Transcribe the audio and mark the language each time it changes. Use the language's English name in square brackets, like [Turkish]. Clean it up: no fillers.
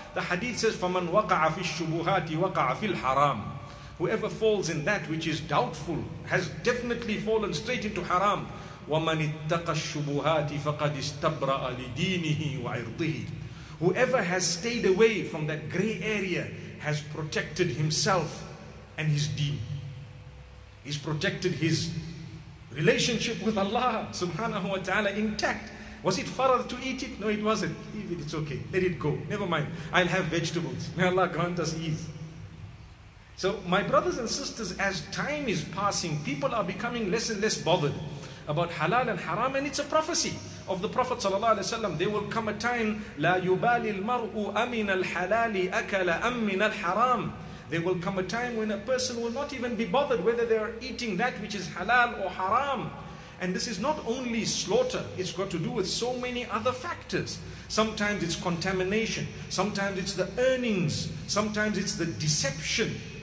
[English] The hadith says, [Arabic] فَمَنْ وَقَعَ فِي الشُّبُهَاتِ وَقَعَ فِي الْحَرَامِ. [English] Whoever falls in that which is doubtful has definitely fallen straight into haram. [Arabic] وَمَنِ اتَّقَ الشُّبُهَاتِ فَقَدْ اِسْتَبْرَأَ لِدِينِهِ وَعِرْضِهِ. [English] Whoever has stayed away from that grey area has protected himself and his deen. He's protected his relationship with Allah subhanahu wa ta'ala intact. Was it farad to eat it? No, it wasn't. Leave it, it's okay. Let it go. Never mind. I'll have vegetables. May Allah grant us ease. So my brothers and sisters, as time is passing, people are becoming less and less bothered about halal and haram, and it's a prophecy of the Prophet sallallahu alaihi wasallam. There will come a time, [Arabic] لا يبالي المرء أمن الحلال أكل أم من الحرام. [English] There will come a time when a person will not even be bothered whether they are eating that which is halal or haram. And this is not only slaughter, it's got to do with so many other factors. Sometimes it's contamination, sometimes it's the earnings, sometimes it's the deception.